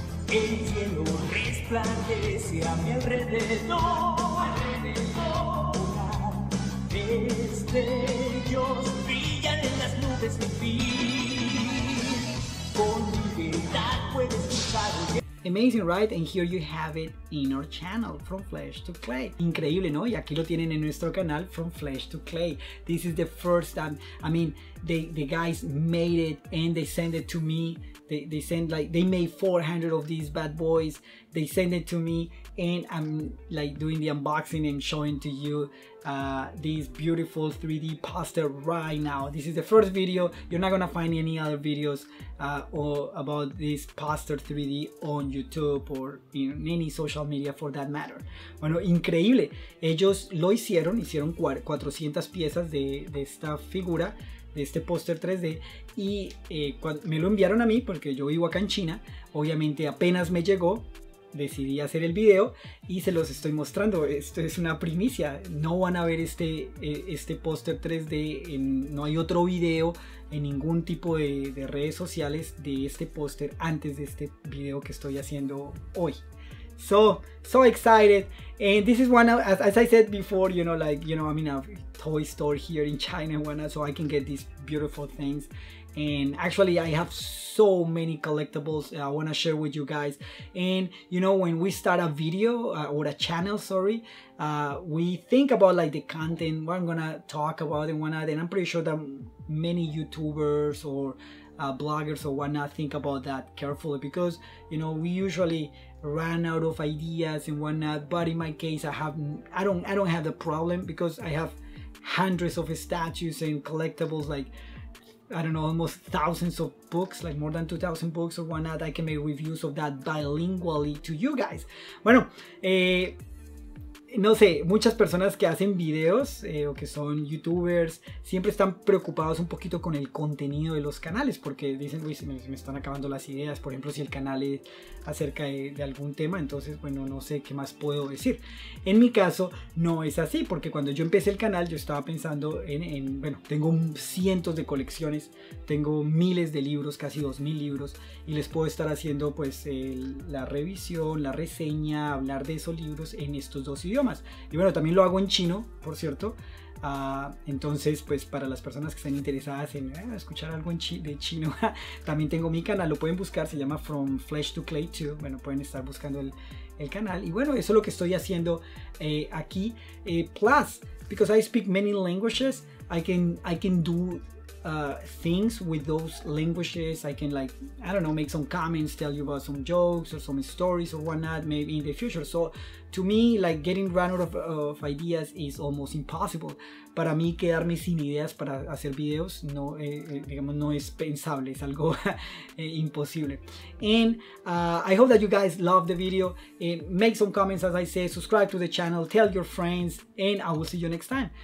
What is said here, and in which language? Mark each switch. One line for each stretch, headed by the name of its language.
Spanish: El cielo resplandece a mi alrededor. Destellos brillan en las nubes de fin. Con libertad puedes buscar.
English: Amazing, right? And here you have it in our channel, From Flesh to Clay.
Spanish: Increíble, ¿no? Y aquí lo tienen en nuestro canal, From Flesh to Clay.
English: This is the first time, I mean, the guys made it and they sent it to me. They sent like, they made 400 of these bad boys. They sent it to me and I'm like doing the unboxing and showing to you these beautiful 3D poster right now. This is the first video. You're not gonna find any other videos or about this poster 3D on YouTube or in any social media for that matter.
Spanish: Bueno, increíble. Ellos lo hicieron, 400 piezas de esta figura, de este póster 3D, y me lo enviaron a mí porque yo vivo acá en China. Obviamente apenas me llegó, decidí hacer el video y se los estoy mostrando. Esto es una primicia, no van a ver este póster 3D, no hay otro video en ningún tipo de redes sociales de este póster antes de este video que estoy haciendo hoy.
English: So excited, and this is one of, as I said before, you know, like, you know, I'm in a toy store here in China, so I can get these beautiful things. And actually I have so many collectibles I want to share with you guys. And you know, when we start a video or a channel, sorry, we think about like the content, what I'm gonna talk about and whatnot, and I'm pretty sure that many YouTubers or bloggers or whatnot think about that carefully, because you know, we usually run out of ideas and whatnot. But in my case, I don't have the problem, because I have hundreds of statues and collectibles, like, I don't know, almost thousands of books, like more than 2,000 books or whatnot. I can make reviews of that bilingually to you guys.
Spanish: Bueno, no sé, muchas personas que hacen videos o que son YouTubers siempre están preocupados un poquito con el contenido de los canales, porque dicen, uy, se me están acabando las ideas. Por ejemplo, si el canal es acerca de algún tema, entonces, bueno, no sé qué más puedo decir. En mi caso, no es así, porque cuando yo empecé el canal, yo estaba pensando en bueno, tengo cientos de colecciones, tengo miles de libros, casi 2000 libros, y les puedo estar haciendo, pues, la revisión, la reseña, hablar de esos libros en estos dos idiomas. Y bueno, también lo hago en chino, por cierto. Entonces, pues, para las personas que estén interesadas en escuchar algo de chino, también tengo mi canal, lo pueden buscar, se llama From Flesh to Clay 2. Bueno, pueden estar buscando el canal. Y bueno, eso es lo que estoy haciendo aquí.
English: Plus, because I speak many languages, I can do things with those languages. I can, like, I don't know, make some comments, tell you about some jokes or some stories or whatnot, maybe in the future. So to me, like, getting run out of ideas is almost impossible.
Spanish: Para mí, quedarme sin ideas para hacer videos no, digamos, no es pensable, es algo imposible.
English: And I hope that you guys love the video. Make some comments, as I say, subscribe to the channel, tell your friends, and I will see you next time.